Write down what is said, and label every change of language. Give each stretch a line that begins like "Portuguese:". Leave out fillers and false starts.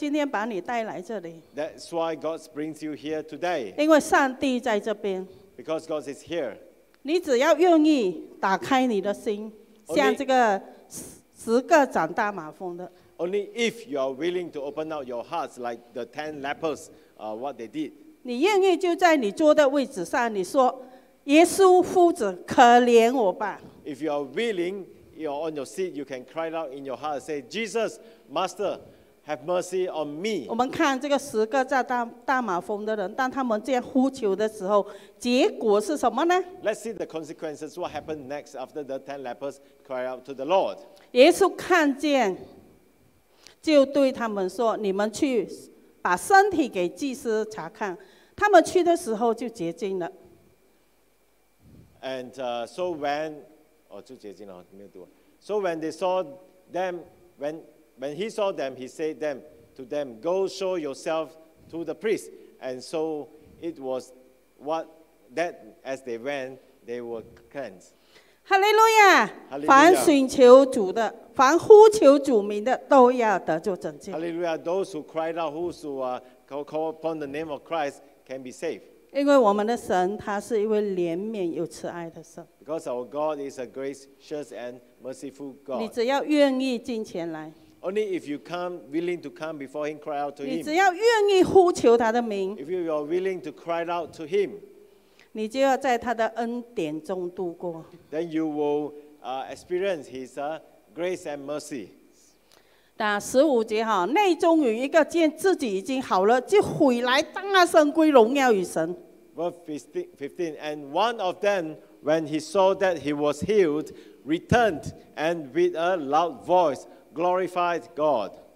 Chinese: 所以他今天把你带来这里,
English: That's why God brings you here today.
Chinese: 因为上帝在这边,
English: because God is here.
Chinese: 你只要愿意打开你的心, 像这个十个长大麻风的,
English: only if you are willing to open out your hearts like the 10 lepers, what they did.
Chinese: 你愿意就在你坐的位置上, 你说, 耶稣夫子, 可怜我吧。
English: If you are willing, you are on your seat, you can cry out in your heart, say, Jesus, Master, have mercy on me.
Chinese: 我们看这个十个大马蜂的人，当他们这样呼求的时候, 结果是什么呢?
English: Let's see the consequences. What happened next after the 10 lepers cried out to the Lord?
Chinese: 耶稣看见，就对他们说, 你们去把身体给祭司查看。他们去的时候就洁净了。And
English: so when,
Chinese: 哦，就洁净了，没有读。
English: So when they saw them, when he saw them, he said them to them, go show yourself to the priest. And so it was what that as they went, they were cleansed. Hallelujah!
Chinese: 凡寻求主的，凡呼求主名的，都要得救拯救。
English: Hallelujah! Those who cried out, call upon the name of Christ, can be saved.
Chinese: 因为我们的神，他是一位怜悯又慈爱的神。
English: Because our God is a gracious and merciful God.
Chinese: 你只要愿意进前来。
English: Only if you come, willing to come before him, cry out to him.
Chinese: 你只要愿意呼求他的名,
English: if you are willing to cry out to him,
Chinese: 你就要在他的恩典中度过,
English: then you will experience his grace and mercy.
Chinese: 15节, 内中有一个见自己已经好了, 就回来大声归荣耀与神。
English: Verse 15, and one of them, when he saw that he was healed, returned and with a loud voice, glorified God.